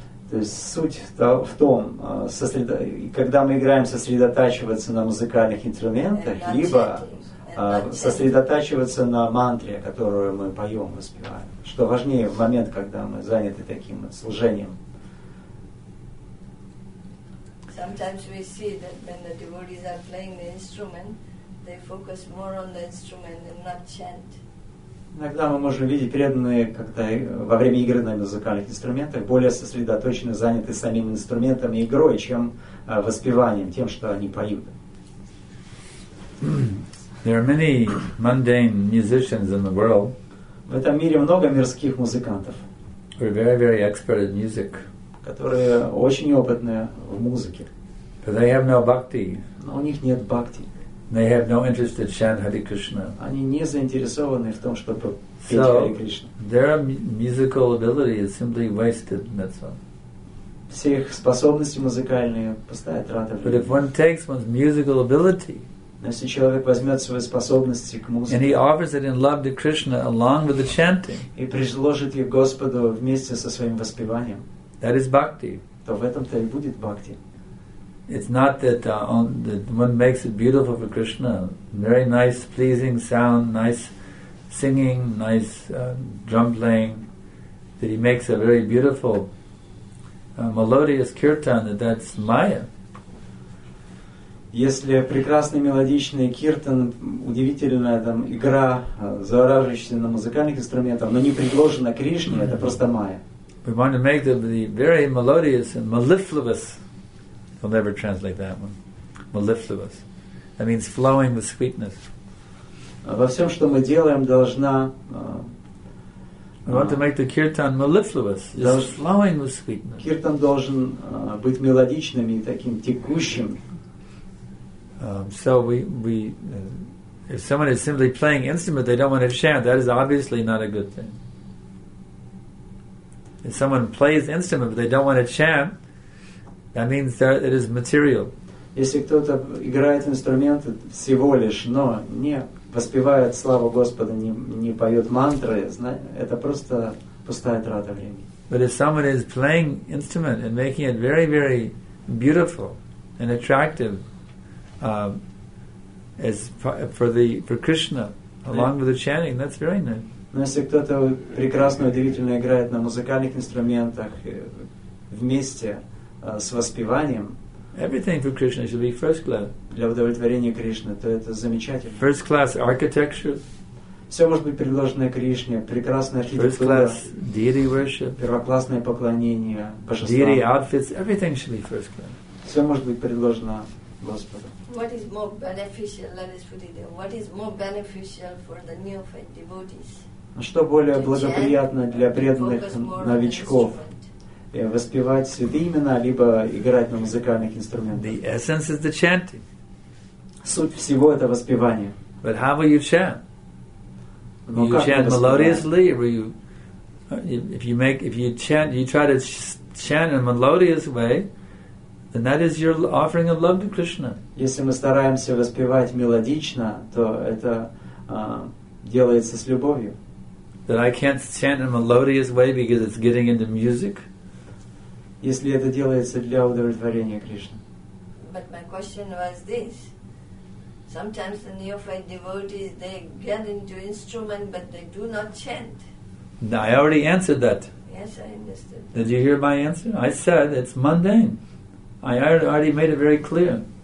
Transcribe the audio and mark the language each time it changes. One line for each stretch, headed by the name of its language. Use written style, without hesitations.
Russian: То есть суть в том, когда мы играем, сосредотачиваться на музыкальных инструментах, либо сосредотачиваться на мантре, которую мы поем, воспеваем. Что важнее в момент, когда мы заняты таким служением.
English: Sometimes we see that when the devotees are playing the instrument, they focus more on the instrument and not chant.
Russian: Иногда мы можем видеть преданные, когда во время игры на музыкальных инструментах более сосредоточены, заняты самим инструментом и игрой, чем воспеванием, тем, что они поют.
English: There are many mundane musicians in the world.
Russian: В этом мире много мирских музыкантов.
English: We're very, very expert at music.
Russian: Которые очень опытные в музыке.
English: But they have no bhakti.
Russian: Но у них нет бхакти.
English: They have no interest to chant Hare Krishna.
Russian: Они не заинтересованы в том, чтобы петь Hare Krishna.
English: Their musical ability is simply wasted, that's all.
Russian: Все их способности музыкальные пустая трата.
English: But if one takes one's musical ability,
Russian: если человек возьмет свои способности к музыке,
English: and he offers it in love to Krishna along with the chanting,
Russian: и предложит их Господу вместе со своим воспеванием,
English: that is bhakti.
Russian: То в этом-то и будет бхакти.
English: It's not that, that one makes it beautiful for Krishna. Very nice, pleasing sound, nice singing, nice drum playing. That he makes a very beautiful, melodious kirtan. That's Maya.
Russian: Если прекрасный мелодичный киртан, удивительная там игра, завораживающая на музыкальных инструментах, но не предложена Кришне, это просто Maya.
English: We want to make them the very melodious and mellifluous. I'll never translate that one. Mellifluous. That means flowing with sweetness.
Russian: Во всем, что мы делаем, должна...
English: I want to make the kirtan mellifluous. Just flowing with sweetness.
Russian: Kirtan должен быть мелодичным и таким текущим.
English: So we if someone is simply playing instrument, they don't want to chant. That is obviously not a good thing. If someone plays instrument, but they don't want to chant, that means that it is material.
Russian: Если кто-то играет инструмент всего лишь, но не воспевает славу Господа, не поет мантры, это просто пустая трата времени.
English: But if someone is playing instrument and making it very, very beautiful and attractive, as for Krishna along with the chanting, that's very nice.
Russian: Но если кто-то прекрасно, удивительно играет на музыкальных инструментах вместе с воспеванием.
English: Everything for Krishna should be first class.
Russian: Для удовлетворения Кришны, то это замечательно.
English: First class architecture.
Russian: Все может быть предложено Кришне. Прекрасная архитектура.
English: First class deity worship.
Russian: Первоклассное поклонение божествам.
English: Deity outfits. Everything should be first class.
Russian: Все может быть предложено Господу.
English: What is more beneficial? Let us put it there. What is more beneficial for the neophyte devotees?
Russian: Что более благоприятно для преданных новичков? воспевать святые имена либо играть на музыкальных инструментах.
English: The essence is the chanting.
Russian: Суть всего это воспевание.
English: But how will you chant?
Russian: Но
English: you chant melodiously, or you, if you make, if you chant, you try to chant in a melodious way, then that is your offering of love to Krishna.
Russian: Если мы стараемся воспевать мелодично, то это делается с любовью.
English: That I can't chant in a melodious way because it's getting into music.
Russian: Если это делается для удовлетворения Кришны.
English: But my question was this: sometimes the neophyte devotees, they get into instrument but they do not chant. No, I already answered that. Yes, I understood. Did you hear my answer? I said it's mundane. I already made it very clear.